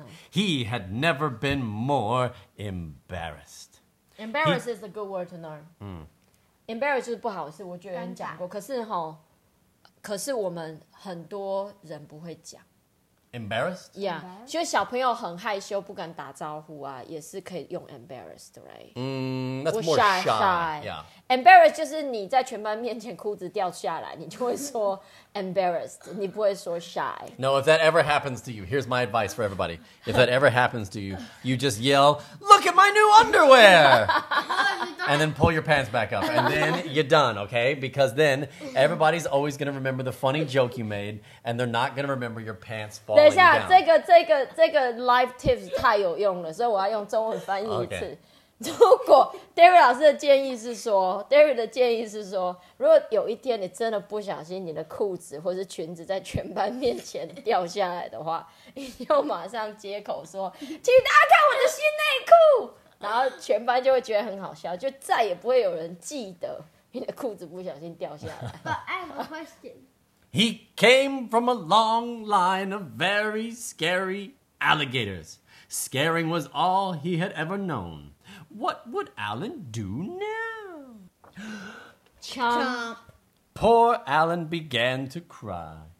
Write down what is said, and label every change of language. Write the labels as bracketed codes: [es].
[en] He had never been more embarrassed. Embarrassed is a good word to learn. [zh] Embarrassed 就是不好事，我觉得有人讲过。可是哈，可是我们很多人不会讲。 [en] Embarrassed? Yeah. Embarrassed? [zh] 就小朋友很害羞，不敢打招呼啊，也是可以用 embarrassed, [en] right? That's more shy. shy. Yeah. [zh] Embarrassed 就是你在全班面前裤子掉下来，你就会说 embarrassed, 你不会说 shy. [en] No, if that ever happens to you, here's my advice for everybody. If that ever happens to you, you just yell, look at my new underwear! And then pull your pants back up. And then you're done, okay? Because then everybody's always going to remember the funny joke you made, and they're not going to remember your pants falling [zh] 等一下 [en] down. [zh] 这个 life tips 太有用了，所以我要用中文翻译一次。 [en] Okay. [zh] 如果 David 老师的建议是说 ,David 的建议是说，如果有一天你真的不小心你的裤子或是裙子在全班面前掉下来的话，你就马上接口说，请大家看我的新内裤。然后全班就会觉得很好笑，就再也不会有人记得你的裤子不小心掉下来。 [en] But I have a question. He came from a long line of very scary alligators. Scaring was all he had ever known. What would Alan do now? Chomp. Poor Alan began to cry.